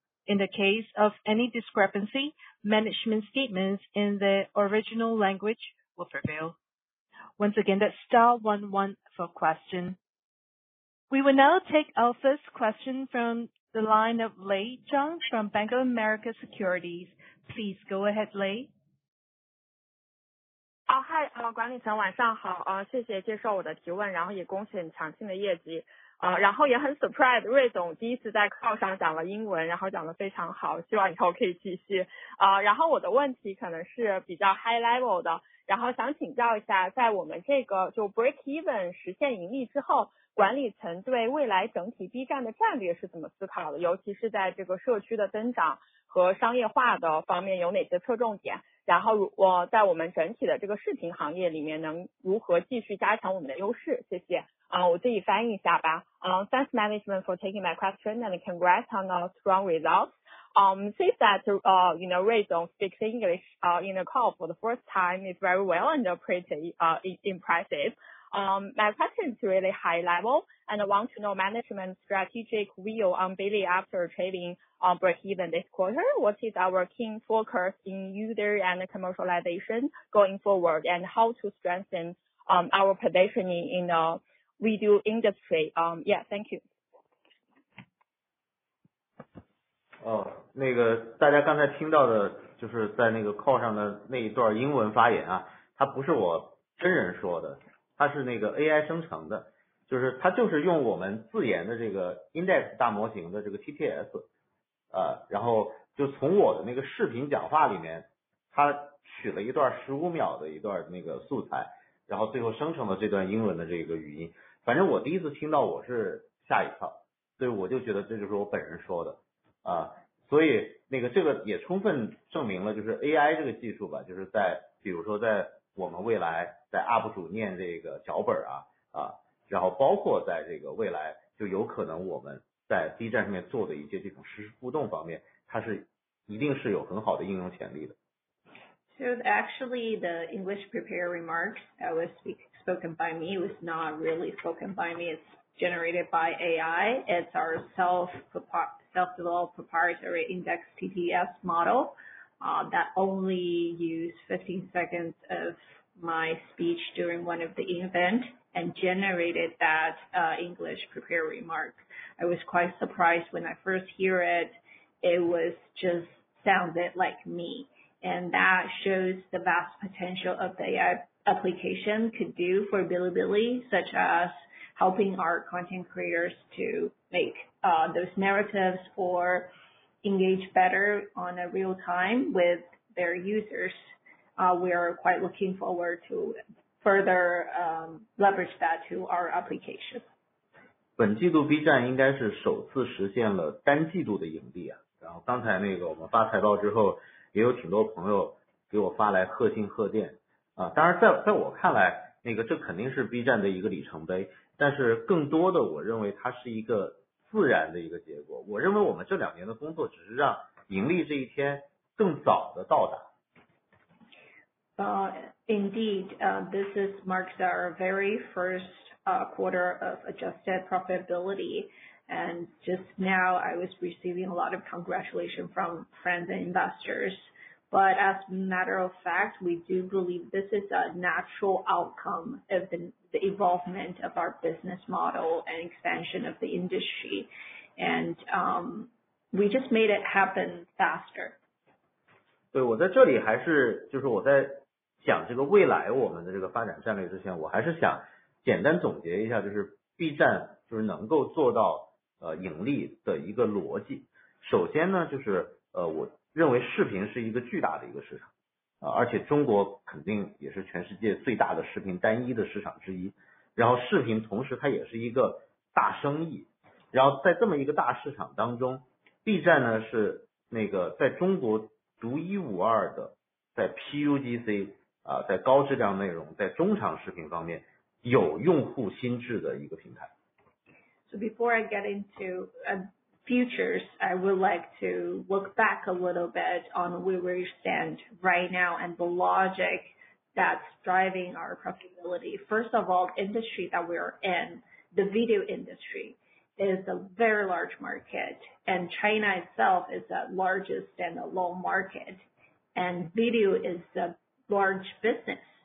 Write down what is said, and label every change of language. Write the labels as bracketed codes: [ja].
[en] In the case of any discrepancy, management statements in the original language will prevail. Once again, that's star 11 for question. We will now take our first question from the line of Lei Zhang from Bank of America Securities. Please go ahead, Lei. [zh] Hi, 管理层晚上好，谢谢接受我的提问，然后也恭喜你强劲的业绩，然后也很 surprise， 瑞总第一次在 call 上讲了英文，然后讲得非常好，希望以后可以继续，然后我的问题可能是比较 [en] high level [zh] 的，然后想请教一下，在我们这个就 break even 实现盈利之后，管理层对未来整体 B 站的战略是怎么思考的，尤其是在这个社区的增长和商业化的方面有哪些侧重点，然后我在我们整体的这个视频行业里面能如何继续加强我们的优势，谢谢。我自己翻译一下吧。 [en] Thanks management for taking my question and congrats on the strong results. Since that, you know, Ray don't speak English, in the call for the first time is very well and pretty, impressive. My question is really high level and I want to know management's strategic view on Bilibili after trading on break-even this quarter. What is our key focus in user and commercialization going forward and how to strengthen our positioning in the video industry? Yeah, thank you. [zh] 那个大家刚才听到的就是在那个 call 上的那一段英文发言啊，它不是我真人说的，它是那个 AI 生成的，就是它就是用我们自研的这个 index 大模型的这个 TTS， 然后就从我的那个视频讲话里面，它取了一段15秒的一段那个素材，然后最后生成了这段英文的这个语音。反正我第一次听到我是吓一跳，所以我就觉得这就是我本人说的啊，所以那个这个也充分证明了就是 AI 这个技术吧，就是在比如说在我们未来在 UP 主念这个脚本啊，然后包括在这个未来就有可能我们在 B 站上面做的一些这种实时互动方面，它是一定是有很好的应用潜力的。 [en] So actually the English prepared remarks that was spoken by me was not really spoken by me. It's generated by AI. It's our self-developed proprietary index TTS model. That only use 15 seconds of my speech during one of the event and generated that English prepared remark. I was quite surprised when I first hear it. It was just sounded like me. And that shows the vast potential of the AI application could do for Bilibili, such as helping our content creators to make those narratives or engage better on a real time with their users. We are quite looking forward to further leverage that to our application. [zh] 本季度 B 站应该是首次实现了单季度的盈利啊。然后刚才那个我们发财报之后，也有挺多朋友给我发来贺信贺电啊，当然在我看来，那个这肯定是 B 站的一个里程碑，但是更多的我认为它是一个自然的一个结果。我认为我们这两年的工作只是让盈利这一天更早的到达。 [en] Indeed, this is marks our very first quarter of adjusted profitability. And just now I was receiving a lot of congratulations from friends and investors. But as a matter of fact, we do believe this is a natural outcome of the evolvement of our business model and expansion of the industry. And we just made it happen faster. [zh] 对，我在这里还是就是我在讲这个未来我们的这个发展战略之前，我还是想简单总结一下，就是 B 站就是能够做到盈利的一个逻辑。首先呢，就是我认为视频是一个巨大的一个市场啊，而且中国肯定也是全世界最大的视频单一的市场之一。然后视频同时它也是一个大生意，然后在这么一个大市场当中， B 站呢是那个在中国独一无二的在 PUGC 啊，在高质量内容在中长视频方面有用户心智的一个平台。 [en] So before I get into futures, I would like to look back a little bit on where we stand right now and the logic that's driving our profitability. First of all, the industry that we are in, the video industry, is a very large market, and China itself is the largest standalone market, and video is a large business.